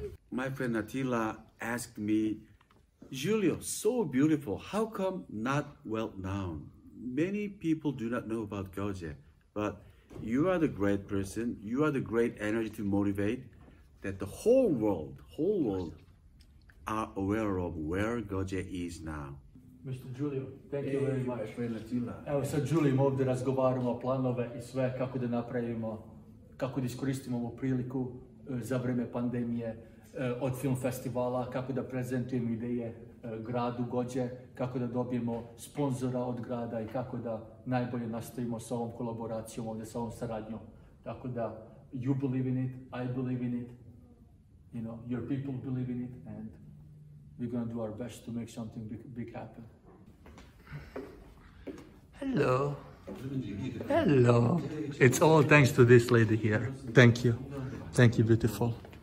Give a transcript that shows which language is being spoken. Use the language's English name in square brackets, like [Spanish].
[English] My friend Attila asked me, Julio, so beautiful, how come not well known? Many people do not know about Goji, but you are the great person, you are the great energy to motivate that the whole world are aware of where Goji is now. Mr. Julio, thank you very much. Hey, [Bosnian] evo sa Julijom ovdje razgovaramo o planove i sve kako da napravimo, kako da iskoristimo ovu priliku za vrijeme pandemije od film festivala, kako da prezentujemo ideje gradu Goji, kako da dobijemo sponzora od grada i kako da najbolje nastavimo sa ovom kolaboracijom ovdje, sa ovom saradnjom. Tako da, [English] you believe in it, I believe in it, you know, your people believe in it, and we're gonna do our best to make something big happen. Hello. Hello. It's all thanks to this lady here. Thank you. Thank you, beautiful.